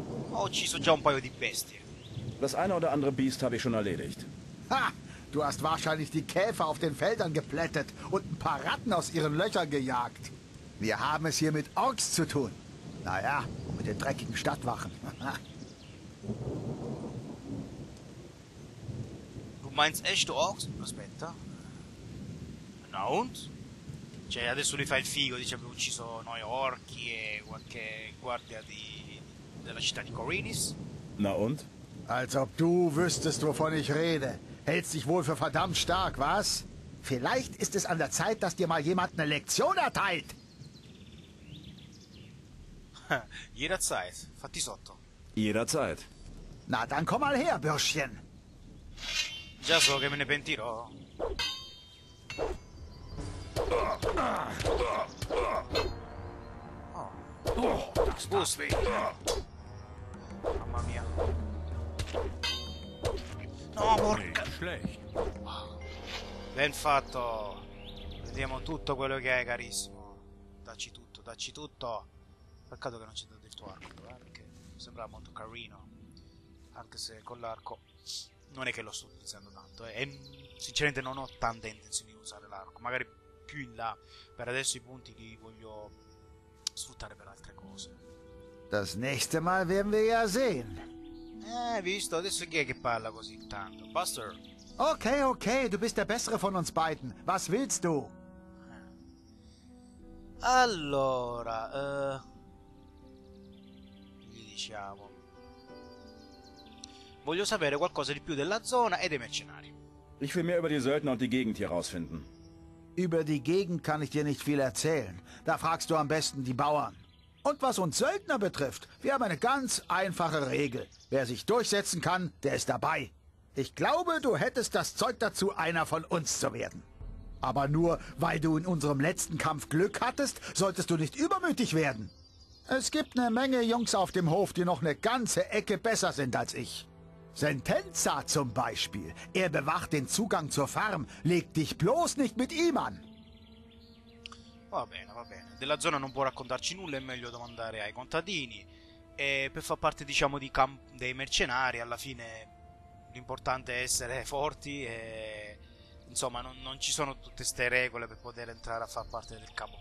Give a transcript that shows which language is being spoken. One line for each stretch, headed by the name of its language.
Italian: Ho ucciso già un paio di bestie.
German: Das eine oder andere Biest habe ich schon erledigt. Ha! Du hast wahrscheinlich die Käfer auf den Feldern geplättet und ein paar Ratten aus ihren Löchern gejagt. Wir haben es hier mit Orks zu tun. Naja, mit den dreckigen Stadtwachen. Du meinst echte Orks? Aspetta. Na und?
Italian: Cioè, adesso li fa il figo, dice, abbiamo ucciso noi orchi e qualche guardia di della città di Corinis.
German: Na und? Als ob du wüsstest, wovon ich rede. Hält sich wohl für verdammt stark, was? Vielleicht ist es an der Zeit, dass dir mal jemand eine Lektion erteilt.
Italian: Jederzeit. Fatti sotto.
German: Jederzeit. Na, dann komm mal her, Bürschchen.
Italian: Già so che me ne pentirò. Mamma mia. No, porca.
German: Schlecht.
Italian: Ben fatto. Vediamo tutto quello che hai, carissimo. Dacci tutto, dacci tutto. Peccato che non c'è dato il tuo arco, perché sembrava molto carino. Anche se con l'arco non è che lo sto utilizzando tanto. E sinceramente non ho tante intenzioni di usare l'arco. Magari più in là. Per adesso i punti li voglio sfruttare per altre cose.
German: Das nächste Mal werden wir ja sehen.
Italian: Visto, adesso chi è che parla così tanto? Buster.
German: Okay, okay, du bist der bessere von uns beiden. Was willst du?
Italian: Allora, gli diciamo. Voglio sapere qualcosa di più della zona e dei mercenari.
German: Ich will mehr über die Söldner und die Gegend hier rausfinden. Über die Gegend kann ich dir nicht viel erzählen. Da fragst du am besten die Bauern. Und was uns Söldner betrifft, wir haben eine ganz einfache Regel. Wer sich durchsetzen kann, der ist dabei. Ich glaube, du hättest das Zeug dazu, einer von uns zu werden. Aber nur, weil du in unserem letzten Kampf Glück hattest, solltest du nicht übermütig werden. Es gibt eine Menge Jungs auf dem Hof, die noch eine ganze Ecke besser sind als ich. Sentenza zum Beispiel. Er bewacht den Zugang zur Farm. Leg dich bloß nicht mit ihm an.
Italian: Va bene, va bene. Della zona non può raccontarci nulla, è meglio domandare ai contadini. E per far parte, diciamo, di dei mercenari, alla fine l'importante è essere forti e insomma, non ci sono tutte ste regole per poter entrare a far parte del campo.